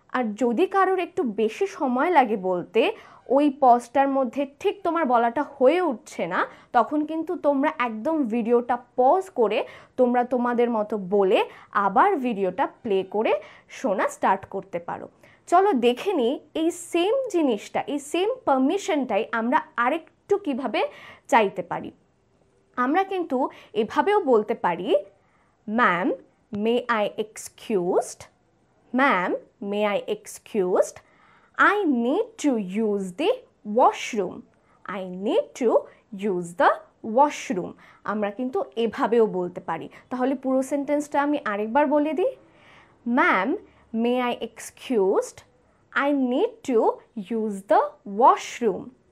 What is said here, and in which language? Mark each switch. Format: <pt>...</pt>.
<bn>আর যদি কারোর একটু বেশি সময় লাগে বলতে, ওই পজটার মধ্যে ঠিক তোমার বলাটা হয়ে উঠছে না, তখন কিন্তু তোমরা একদম ভিডিওটা পজ করে তোমরা তোমাদের মতো বলে আবার ভিডিওটা প্লে করে শোনা স্টার্ট করতে পারো। চলো দেখে নিই এই সেম জিনিসটা, এই সেম পারমিশনটাই আমরা আরেকটু কীভাবে চাইতে পারি। আমরা কিন্তু এভাবেও বলতে পারি,</bn> <en>Ma'am may I excused? Ma'am may I excused? I need to use the washroom. I need to use the washroom.</en> <bn>আমরা কিন্তু এভাবেও বলতে পারি। তাহলে পুরো সেন্টেন্সটা আমি আরেকবার বলে দিই,</bn> <en>Ma'am may I excused? I need to use the washroom.</en>